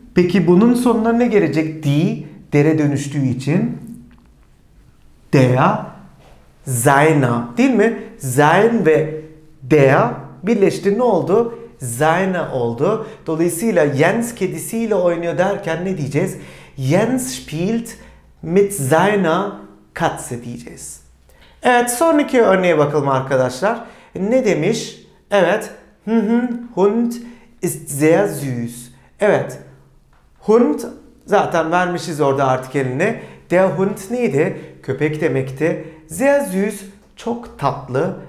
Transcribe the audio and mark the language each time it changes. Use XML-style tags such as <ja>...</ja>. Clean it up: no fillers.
<tr>Peki bunun sonuna ne gelecek? Die, dere dönüştüğü için der seiner değil mi? Sein ve der birleşti ne oldu? Seiner oldu. Dolayısıyla Jens kedisiyle oynuyor derken ne diyeceğiz?</tr> <de>Jens spielt mit seiner Katze</de> <tr>diyeceğiz. Evet, sonraki örneğe bakalım arkadaşlar. Ne demiş? Evet,</tr> <de>Hund ist sehr süß.</de> <tr>Evet, Hund zaten vermişiz orada artikelini. Der Hund neydi? Köpek demekti. Sehr süß, çok tatlı.</tr>